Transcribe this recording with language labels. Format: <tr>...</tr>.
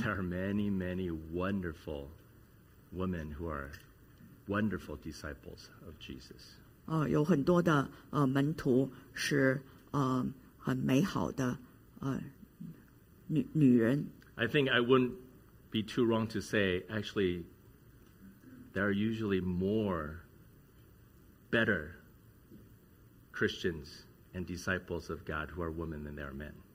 <en>There are many, many wonderful women who are wonderful disciples of Jesus.</en> <zh>有很多的门徒是很美好的女人。</zh> <en>I think I wouldn't be too wrong to say, actually, there are usually more better Christians. And disciples of God who are women than they are men.</en>